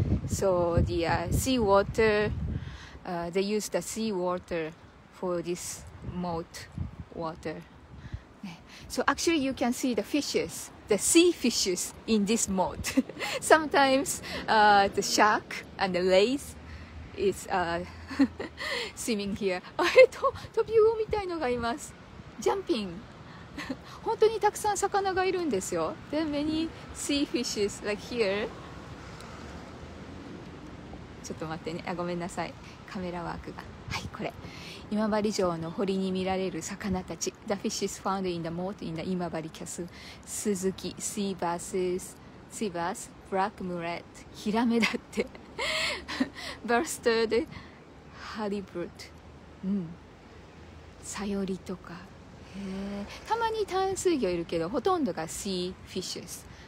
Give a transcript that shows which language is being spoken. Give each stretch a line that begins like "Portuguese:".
English: So the sea water, they use the sea water for this moat water. So actually you can see the fishes, the sea fishes in this moat. Sometimes the shark and the rays is swimming here.
Japanese: 飛び魚みたいのがいます。
English: Jumping.
Japanese: 本当にたくさん魚がいるんですよ。
English: There are many sea fishes like here.
Japanese: ちょっと待ってね、あ、ごめんなさい、カメラワークが。はい、これ今治城の堀に見られる魚たち。
English: The fish is found in the moat in the 今治キャス。
Japanese: スズキ、シーバース、ブラックムレット、ヒラメだってバスタード、ハリブルト、うん、サヨリとか、へー、たまに淡水魚いるけどほとんどがシーフィッシュス。